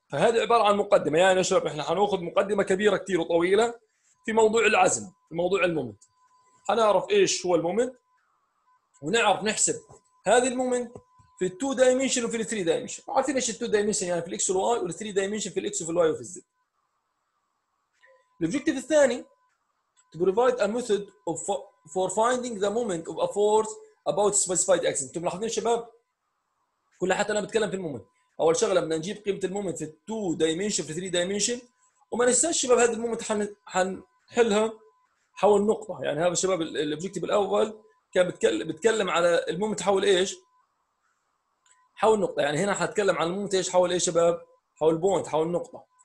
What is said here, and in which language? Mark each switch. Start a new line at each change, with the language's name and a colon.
Arabic: فهذا عباره عن مقدمه، يعني يا شباب احنا حناخذ مقدمه كبيره كثير وطويله في موضوع العزم، في موضوع المومنت. حنعرف ايش هو المومنت ونعرف نحسب هذه المومنت في ال 2 دايمنشن وفي ال 3 دايمنشن، عارفين ايش ال 2 دايمنشن يعني في الاكس والواي، وال 3 دايمنشن في الاكس وفي الواي وفي الزد. الاوبجيكتيف الثاني
English: to provide a method of for finding the moment of a force about specified axis.
Arabic: انتم ملاحظين شباب؟ كل حتى انا بتكلم في المومنت، اول شغله بدنا نجيب قيمه المومنت في ال 2 دايمنشن في ال 3 دايمنشن، وما ننساش شباب هذه المومنت حنحلها حول نقطه، يعني هذا الشباب الاوبجيكتيف الاول كان بتكلم على المومنت حول ايش؟ حول نقطة، يعني هنا حتكلم عن المومنت ايش حول ايش شباب؟ حول بوينت، حول نقطة.